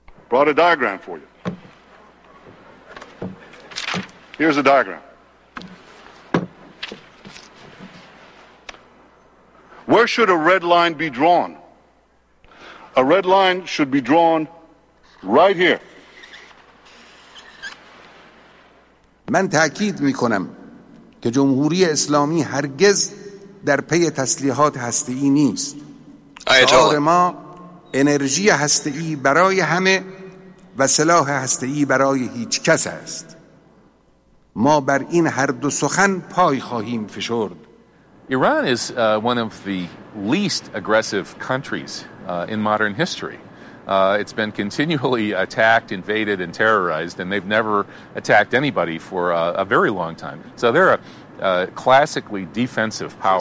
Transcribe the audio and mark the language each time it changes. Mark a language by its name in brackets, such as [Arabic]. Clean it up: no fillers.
[English] Brought a diagram for you. Here's a diagram. Where should a red line be drawn? A red line should be drawn right here. [Persian] من تأکید میکنم که جمهوری اسلامی هرگز در پی تسلیحات هسته‌ای نیست. شعار ما انرژی هسته‌ای برای همه و سلاح هسته‌ای برای هیچ کس است. ما بر این هر دو سخن پای خواهیم فشرد. [English] Iran is one of the least aggressive countries in modern history. It's been continually attacked, invaded, and terrorized, and they've never attacked anybody for a very long time. So they're a classically defensive power.